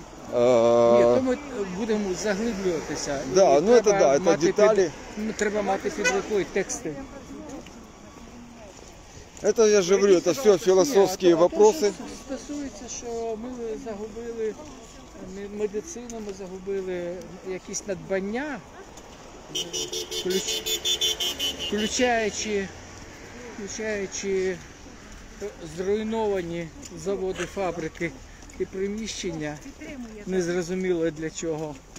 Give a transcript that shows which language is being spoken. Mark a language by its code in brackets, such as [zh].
[uk] Ні, то ми будемо заглиблюватися. Да, ну це да, це деталі. Треба мати під рукою тексти. [ru] Это я же говорю, это все философские вопросы. [uk] Стосується, що ми загубили медицину, ми загубили якісь надбання, включаючи зруйновані заводи, фабрики і приміщення, незрозуміло для чого.